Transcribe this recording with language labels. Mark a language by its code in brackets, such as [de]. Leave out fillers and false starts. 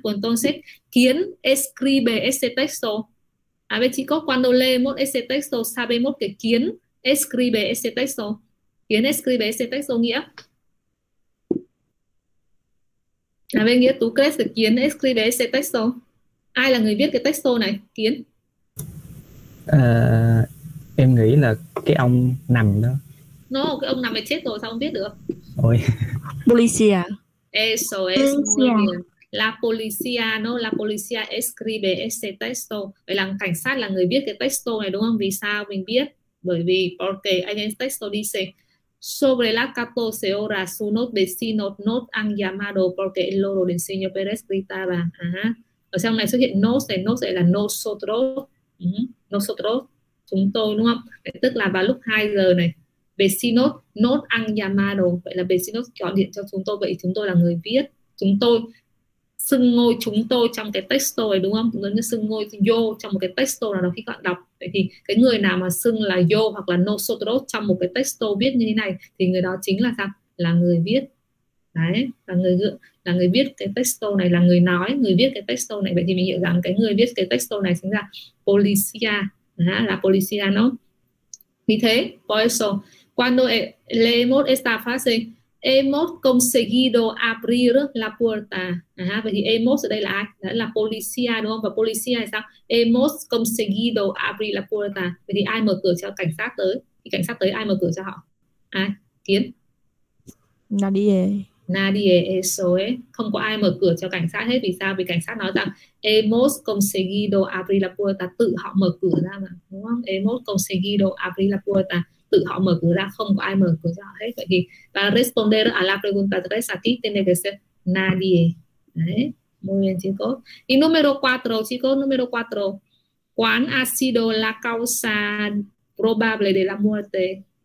[es] Pues entonces, ¿quién escribe ese texto? A ver, chicos, cuando leemos ese texto, sabemos que quién escribe ese texto. ¿Quién escribe ese texto, guía? A ver, guía, ¿tú crees que quién escribe ese texto? [vi] Ay, la người viết cái texto này, [es] ¿quién? [vi] Em nghĩ là cái ông nằm đó. No, cái ông nằm mày chết rồi sao không biết được? Ôi. [es] Policía. Eso es, muy Policía. bien. La policía, ¿no? La policía escribe ese texto. [vi] Vậy là cảnh sát là người viết cái texto này, đúng không? Vì sao mình biết? Bởi vì, [es] porque en el texto dice, sobre las 14 horas, unos vecinos nos han llamado porque el loro del señor Pérez gritaba. Ajá. O sea, una vez que no sé, era nosotros, nosotros, [vi] chúng tôi, đúng không? Tức là vào lúc 2 giờ này, [es] vecinos nos han llamado. [vi] Vậy là vecinos gọi điện cho chúng tôi, vậy chúng tôi là người viết. Chúng tôi, xưng ngôi chúng tôi trong cái texto này, đúng không? Giống như xưng ngôi yo trong một cái texto nào đó khi các bạn đọc. Vậy thì cái người nào mà xưng là yo hoặc là nosotros trong một cái texto viết như thế này, thì người đó chính là sao? Là người viết. Đấy, là người viết cái texto này, là người nói, người viết cái texto này. Vậy thì mình hiểu rằng cái người viết cái texto này chính là policía, là policía nó. Vì thế, [es] por eso, cuando leemos esta frase, hemos conseguido abrir la puerta. [vi] Vậy thì hemos ở đây là ai? Đó là policía, đúng không? Và policía là sao? [es] Hemos conseguido abrir la puerta. [vi] Vậy thì ai mở cửa cho cảnh sát tới? Thì cảnh sát tới ai mở cửa cho họ? Ai? À, kiến. [es] Nadie. Nadie, eso es. [vi] Không có ai mở cửa cho cảnh sát hết. Vì sao? Vì cảnh sát nói rằng [es] hemos conseguido abrir la puerta, [vi] tự họ mở cửa ra mà, đúng không? [es] Hemos conseguido abrir la puerta, [vi] tự họ mở cửa ra, không có ai mở cửa cho họ hết. Vậy thì [es] para responder a la pregunta tres aquí tiene que ser nadie. [vi] Đấy. [es] Muy bien, chicos. Y número cuatro, chicos, número cuatro. ¿Cuál ha sido la causa probable de la muerte?